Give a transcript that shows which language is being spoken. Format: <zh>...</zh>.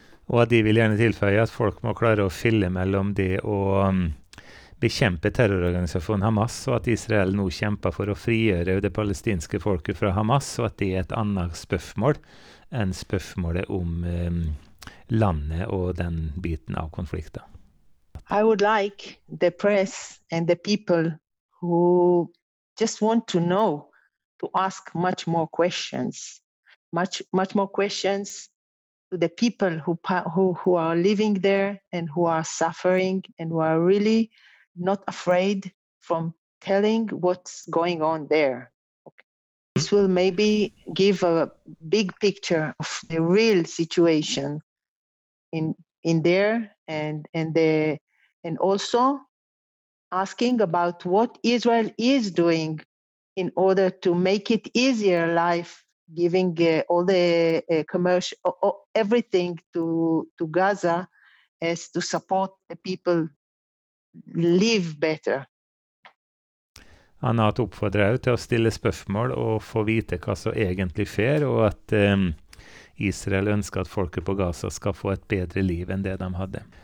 <no>Og de vil gjerne tilføye at folk må klare å skille mellom det å bekjempe terrororganisasjonen Hamas, og at Israel nå kjemper for å frigjøre det palestinske folket fra Hamas, og at det et annet spørsmål enn spørsmålet om landet og den biten av konflikten.</no> <en>I would like the press and the people who just want to know to ask much more questions, much more questions to the people who are living there and who are suffering and who are really not afraid from telling what's going on there. Okay. This will maybe give a big picture of the real situation in there and also asking about what Israel is doing in order to make it easier life, giving all the commercial, everything to Gaza as to support the people live better.</en> <no>Han har oppfordret deg til å stille spørsmål og få vite hva som egentlig skjer, og at Israel ønsker at folket på Gaza skal få et bedre liv enn det de hadde.</no>